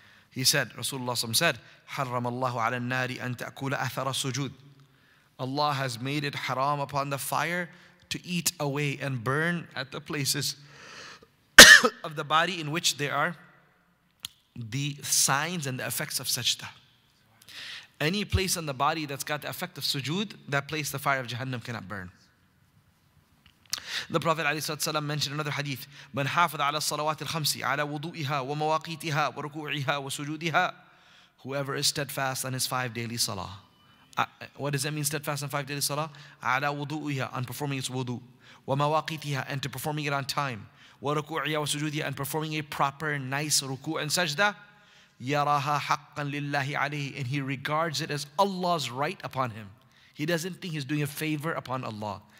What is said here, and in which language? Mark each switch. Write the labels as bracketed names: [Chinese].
[English] He said, Rasulullah said, [Arabic] حرم الله على النار أن تأكل أثر السجود. [English] Allah has made it haram upon the fire to eat away and burn at the places of the body in which there are the signs and the effects of sajda. Any place on the body that's got the effect of sujood, that place the fire of Jahannam cannot burn. The Prophet ﷺ mentioned another hadith. [Arabic] من حافظ على الصلوات الخمس على وضوئها ومواقيتها وركوعها وسجودها. [English] Whoever is steadfast on his five daily salah. What does that mean, steadfast on five daily salah? [Arabic] على وضوئها, [English] on performing its wudu. [Arabic] ومواقيتها, [English] and to performing it on time. وركوعها وسجودها, and performing a proper, nice ruku' and sajda. [Arabic] يراها حقا لله عليه. [English] And he regards it as Allah's right upon him. He doesn't think he's doing a favor upon Allah.